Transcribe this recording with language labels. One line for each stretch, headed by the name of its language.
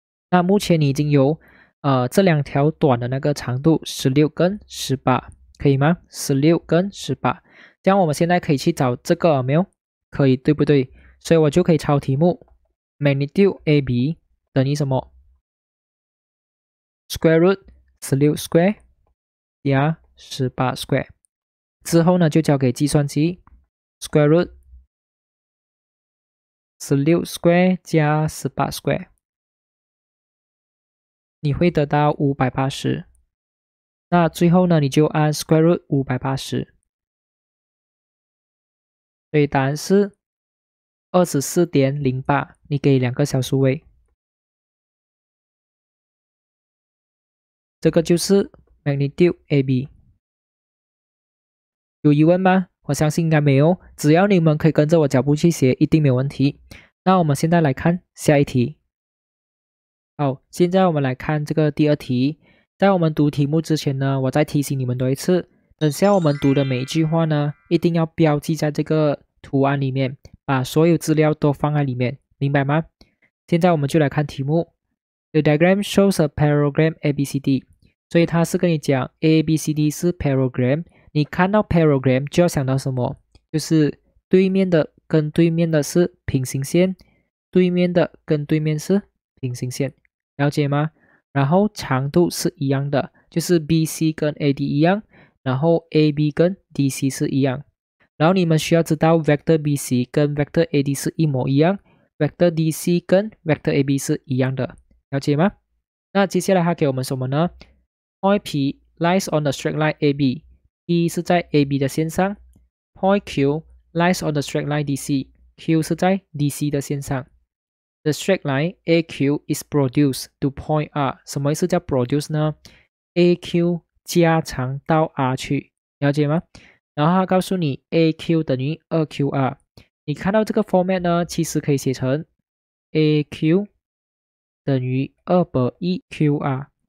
Chinese: 那目前你已经有这两条短的那个长度16跟18，可以吗？ 16跟18，这样我们现在可以去找这个没有？可以，对不对？所以我就可以抄题目 magnitude AB 等于什么？ square root 16 square 加18 square， 之后呢就交给计算机， square root 16 square 加18 square，你会得到580。那最后呢，你就按 square root 580，所以答案是 24.08， 你给两个小数位。这个就是 magnitude AB。有疑问吗？我相信应该没有，只要你们可以跟着我脚步去写，一定没有问题。那我们现在来看下一题。好，现在我们来看这个第二题。在我们读题目之前呢，我再提醒你们多一次，等下我们读的每一句话呢，一定要标记在这个图案里面，把所有资料都放在里面，明白吗？现在我们就来看题目。
English: The diagram shows a parallelogram ABCD，
Chinese: 所以它是跟你讲 ABCD 是 parallelogram。你看到 parallelogram 就要想到什么？就是对面的跟对面的是平行线，对面的跟对面是平行线，了解吗？然后长度是一样的，就是 BC 跟 AD 一样，然后 AB 跟 DC 是一样。然后你们需要知道 vector BC 跟 vector AD 是一模一样， vector DC 跟 vector AB 是一样的，了解吗？那接下来它给我们什么呢？
English: Point P lies on the straight line AB，
Chinese: P 是在 AB 的线上，
English: Point Q lies on the straight line DC，
Chinese: Q 是在 DC 的线上。
English: The straight line AQ is produced to point R。
Chinese: 什么意思叫 produce 呢？AQ 加长到 R 去，了解吗？然后它告诉你 AQ 等于 2QR。你看到这个 format 呢，其实可以写成 AQ 等于 2/1QR。